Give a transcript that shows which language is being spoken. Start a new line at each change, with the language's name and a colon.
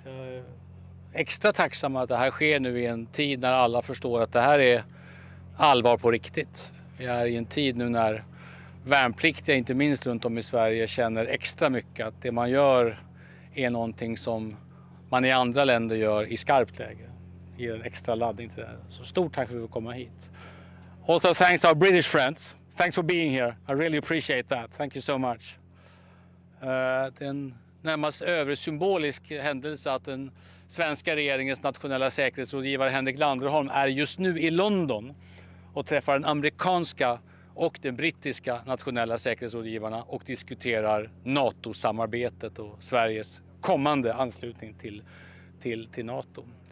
Swedish: Jag är extra tacksam att det här sker nu i en tid när alla förstår att det här är allvar på riktigt. Vi är i en tid nu när värnpliktiga, inte minst runt om i Sverige, känner extra mycket att det man gör är någonting som man i andra länder gör i skarpt läge. Ger en extra laddning till det. Så stort tack för att vi får komma hit.
English: Also thanks to our British friends. Thanks for being here. I really appreciate that. Thank you so much.
Swedish: Det är en närmast översymbolisk händelse att den svenska regeringens nationella säkerhetsrådgivare Henrik Landerholm är just nu i London och träffar den amerikanska och den brittiska nationella säkerhetsrådgivarna och diskuterar NATO-samarbetet och Sveriges kommande anslutning till NATO.